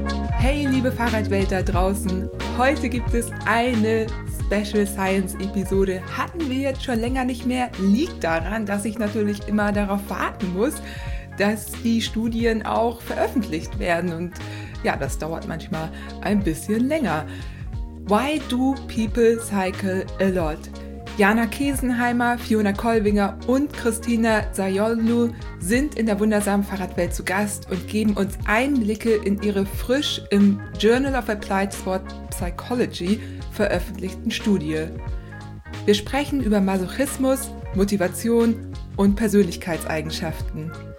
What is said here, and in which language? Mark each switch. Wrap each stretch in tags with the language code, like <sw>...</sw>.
<de>Hey, liebe Fahrradwelt da draußen, heute gibt es eine Special Science Episode. Hatten wir jetzt schon länger nicht mehr, liegt daran, dass ich natürlich immer darauf warten muss, dass die Studien auch veröffentlicht werden. Und ja, das dauert manchmal ein bisschen länger.</de> <en>Why do people cycle a lot?</en> <de>Jana Kesenheimer, Fiona Kolwinger und Christina Zayoglu sind in der wundersamen Fahrradwelt zu Gast und geben uns Einblicke in ihre frisch im Journal of Applied Sport Psychology veröffentlichten Studie. Wir sprechen über Masochismus, Motivation und Persönlichkeitseigenschaften.</de>